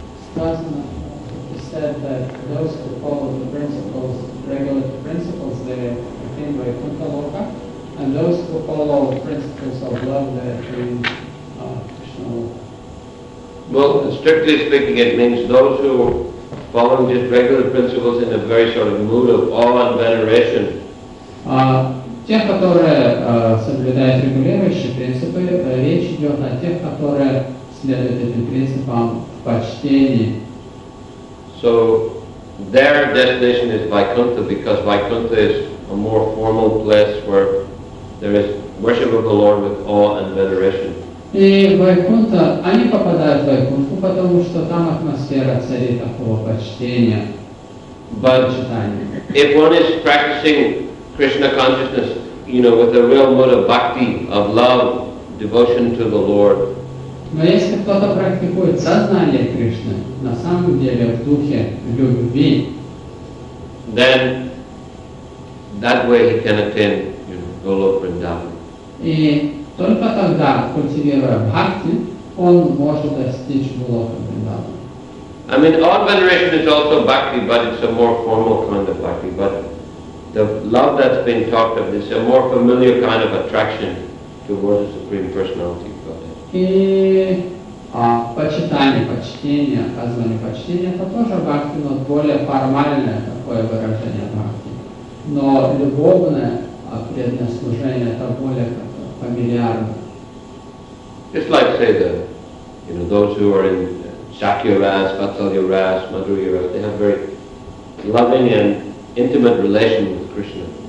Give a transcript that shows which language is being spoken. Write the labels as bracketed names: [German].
[English] Сказано, he said that those who follow the principles, regulative principles, they attain Vaikuntha Loka, and those who follow principles of love, they attain Krishna Loka. Well, strictly speaking, it means those who follow just regular principles in a very sort of mood of awe and veneration. [Russian] тех, которые соблюдают регулирующие принципы, речь идет о тех, которые следуют этим принципам в почтении. [English] So their destination is Vaikuntha, because Vaikuntha is a more formal place where there is worship of the Lord with awe and veneration. [Russian] И Вайкунта, они попадают в Вайкунту, потому что там атмосфера царит такого почтения. [English] But if one is practicing Krishna consciousness, you know, with a real mode of bhakti, of love, devotion to the Lord. [Russian] Но если кто-то практикует сознание Кришны, на самом деле в духе любви, [English] then that way he can attain, you know, Golok Vrindavan. [Russian] И только тогда, культивируя бхакти, он может достичь Голока Вриндавана. [English] I mean, all veneration is also bhakti, but it's a more formal kind of bhakti. But the love that's been talked of is a more familiar kind of attraction towards the Supreme Personality of Godhead. [Russian] И почитание, почтение, оказывание почтения, это тоже бхакти, но более формальное такое выражение бхакти. Но любовное, преданное служение, это более фамильярно. [English] Just like, say, the, you know, those who are in Shakya Ras, Vatsalya Ras, Madhurya Ras, they have very loving and intimate relation with Krishna.